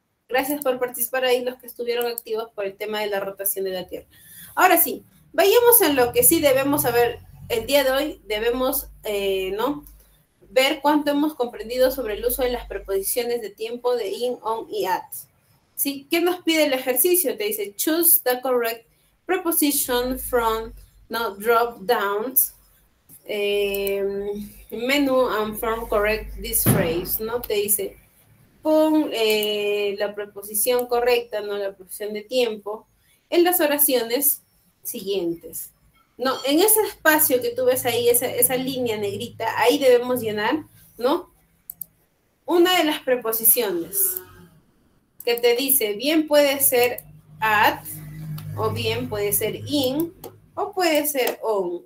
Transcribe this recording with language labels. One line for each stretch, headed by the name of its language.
Spanish: Gracias por participar ahí los que estuvieron activos por el tema de la rotación de la Tierra. Ahora sí, vayamos en lo que sí debemos saber el día de hoy, debemos, ¿no?, ver cuánto hemos comprendido sobre el uso de las preposiciones de tiempo de in, on y at. ¿Sí? ¿Qué nos pide el ejercicio? Te dice,
English: choose the correct preposition from no, drop downs menu and form correct this phrase.
Spanish: ¿No? Te dice, pon la preposición correcta, no la preposición de tiempo, en las oraciones siguientes. No, en ese espacio que tú ves ahí, esa línea negrita, ahí debemos llenar, ¿no? Una de las preposiciones que te dice, bien puede ser at, o bien puede ser in, o puede ser on.